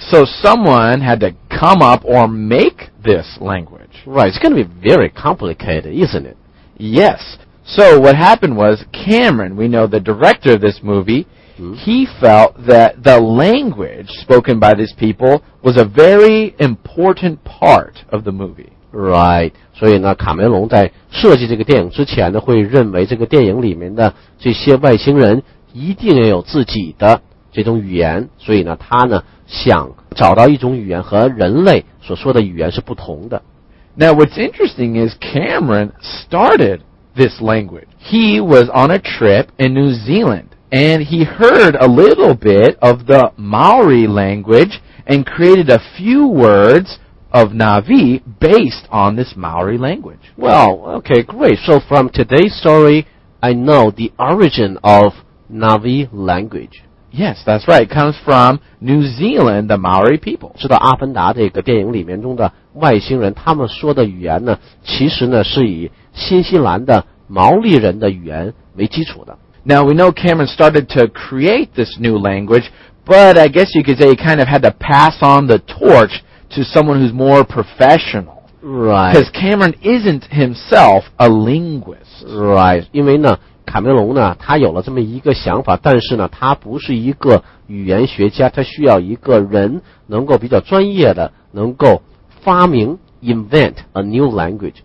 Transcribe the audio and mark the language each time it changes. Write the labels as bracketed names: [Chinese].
[English] So someone had to come up or make this language. Right. It's going to be very complicated, isn't it? Yes. So what happened was Cameron, we know the director of this movie, he felt that the language spoken by these people was a very important part of the movie. [Chinese] Right, 所以呢，卡梅隆在设计这个电影之前呢，会认为这个电影里面的这些外星人一定要有自己的这种语言，所以呢，他呢想找到一种语言和人类所说的语言是不同的。 [English] Now what's interesting is Cameron started this language. He was on a trip in New Zealand, and he heard a little bit of the Maori language and created a few words. Of Na'vi based on this Maori language. Well, okay, great. So from today's story, I know the origin of Na'vi language. Yes, that's right. It comes from New Zealand, the Maori people. [Chinese] 知道阿凡达这个电影里面中的外星人，他们说的语言呢，其实呢是以新西兰的毛利人的语言为基础的。 [English] Now we know Cameron started to create this new language, but I guess you could say he kind of had to pass on the torch. To someone who's more professional. Right. Because Cameron isn't himself a linguist. [Chinese] Right. 因为呢卡梅隆呢他有了这么一个想法但是呢他不是一个语言学家他需要一个人能够比较专业的能够发明 [English] invent a new language.